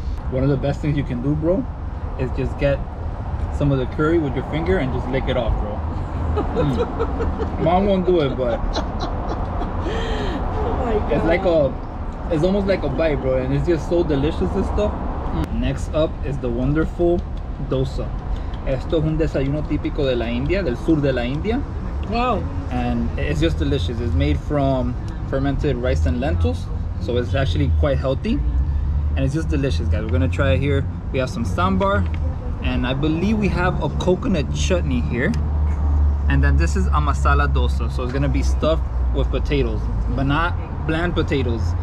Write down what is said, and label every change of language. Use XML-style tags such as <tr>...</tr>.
<en>One of the best things you can do, bro, is just get some of the curry with your finger and just lick it off, bro. Mom won't do it, but oh my God. It's almost like a bite, bro, and it's just so delicious, this stuff. Next up is the wonderful dosa.</en> <es>Esto es un desayuno típico de la India, del sur de la India.</es> <en>Wow. And it's just delicious. It's made from fermented rice and lentils, so it's actually quite healthy. And it's just delicious, guys. We're gonna try it here. We have some sambar, and I believe we have a coconut chutney here. And then this is a masala dosa, so it's gonna be stuffed with potatoes, but not bland potatoes.</en>